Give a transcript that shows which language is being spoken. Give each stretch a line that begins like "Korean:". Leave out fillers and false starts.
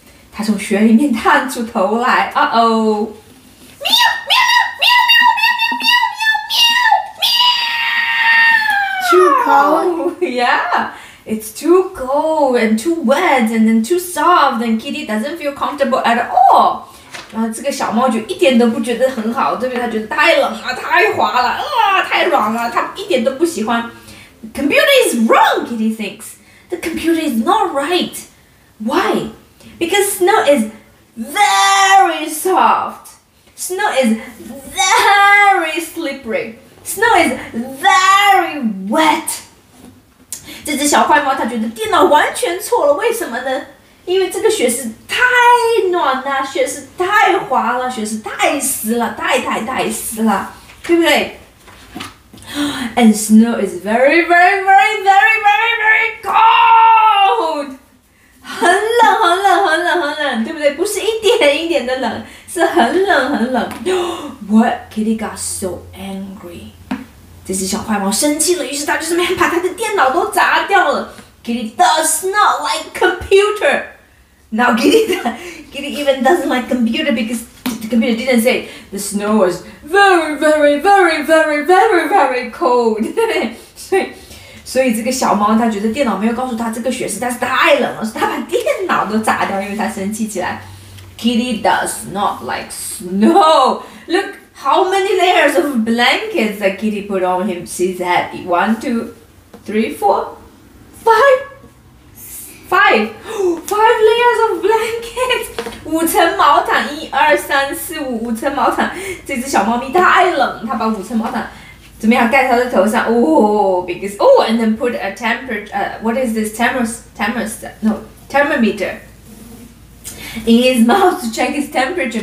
Chinese: 它从雪里面探出头来。
English: Uh-oh! Meow! Meow! Meow! Meow! Meow! Meow! Meow! Meow! Meow! Meow! Meow! Meow! Too cold. Yeah, it's too cold and too wet and then too soft. And kitty doesn't feel comfortable at all.
Chinese: 然后这个小猫就一点都不觉得很好，对不对？它觉得太冷了，太滑了，啊，太软了，它一点都不喜欢。
English: Computer is wrong, Kitty thinks. the computer is not right. Why? Because snow is very soft. Snow is very slippery. Snow is very wet.
Chinese: 这只小坏猫它觉得电脑完全错了，为什么呢？因为这个雪是太暖了，雪是太滑了，雪是太湿了，太湿了，对不对？
English: And snow is very, very, very, very, very, very cold.
Chinese: 很冷，很冷，很冷，很冷，对不对？不是一点一点的冷，是很冷，很冷。
English: What? Kitty got so angry.
Chinese: 这只小坏猫生气了，于是它就这么把它的电脑都砸掉了。
English: Kitty does not like computer. Now Kitty even doesn't like computer because the computer didn't say the snow was very, very, very, very, very, very cold.
Chinese: 所以这个小猫它觉得电脑没有告诉它这个雪实在是太冷了，所以它把电脑都砸掉，因为它生气起来。
English: Kitty does not like snow. Look how many layers of blankets that Kitty put on him. She's had 1, 2, 3, 4, 5 layers of blankets.
Chinese: 五层毛毯，一二三四五，五层毛毯。这只小猫咪太冷，它把五层毛毯怎么样盖它的头上？
English: 哦 ，because oh, and then put a temperature. What is this thermometer in his mouth to check his temperature.